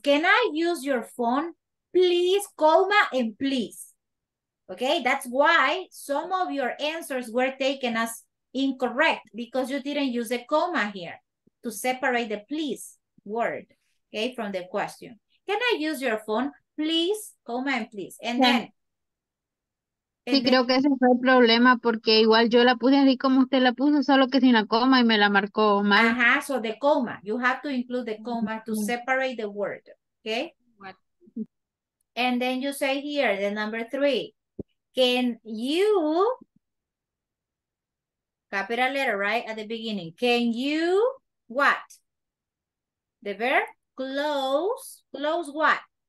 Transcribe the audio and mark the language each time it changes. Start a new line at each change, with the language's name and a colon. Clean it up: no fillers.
English: Can I use your phone? Please, comma, and please. Okay, that's why some of your answers were taken as incorrect because you didn't use a comma here to separate the please word, okay, from the question. Can I use your phone? Please, comma, and please. And then.
Spanish: Sí, creo que ese fue el problema porque igual yo la puse así como usted la puso, solo que sin la coma y me la marcó mal.
English: Ajá, so the coma. You have to include the coma to separate the word, okay? And then you say here, the number three. Can you, capital letter, right, at the beginning. Can you, what? The verb, close what?